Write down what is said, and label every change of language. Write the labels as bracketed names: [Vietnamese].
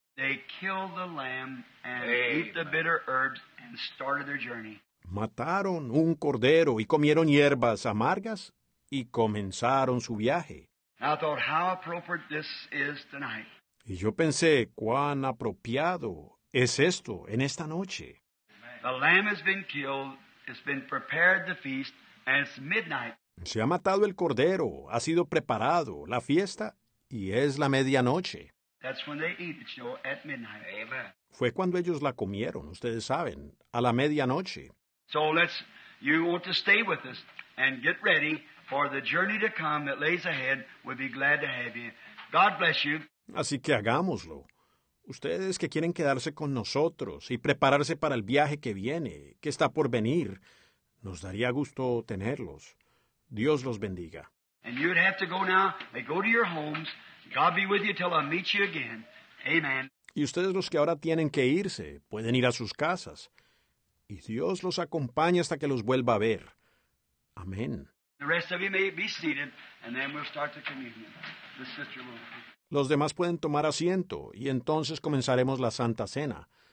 [English] they killed the lamb and ate the bitter herbs and started their journey. [Spanish] Mataron un cordero y comieron hierbas amargas y comenzaron su viaje. [English] I thought how appropriate this is tonight. [Spanish] Y yo pensé cuán apropiado es esto en esta noche. [English] The lamb has been killed, it's been prepared the feast, and it's midnight. [Spanish] Se ha matado el cordero, ha sido preparado la fiesta y es la medianoche. [English] That's when they eat it, Joe, at midnight. Amen. [Spanish] Fue cuando ellos la comieron, ustedes saben, a la medianoche. [English] So let's, you want to stay with us and get ready for the journey to come that lays ahead. We'll be glad to have you. God bless you. [Spanish] Así que hagámoslo. Ustedes que quieren quedarse con nosotros y prepararse para el viaje que viene, que está por venir, nos daría gusto tenerlos. Dios los bendiga. [English] And you'd have to go now. They go to your homes. God be with you till I meet you again. Amen. [Spanish] Y ustedes los que ahora tienen que irse, pueden ir a sus casas. Y Dios los acompañe hasta que los vuelva a ver. Amén. [English] The rest of you may be seated, and then we'll start the communion. The sister will. [Spanish] Los demás pueden tomar asiento, y entonces comenzaremos la Santa Cena.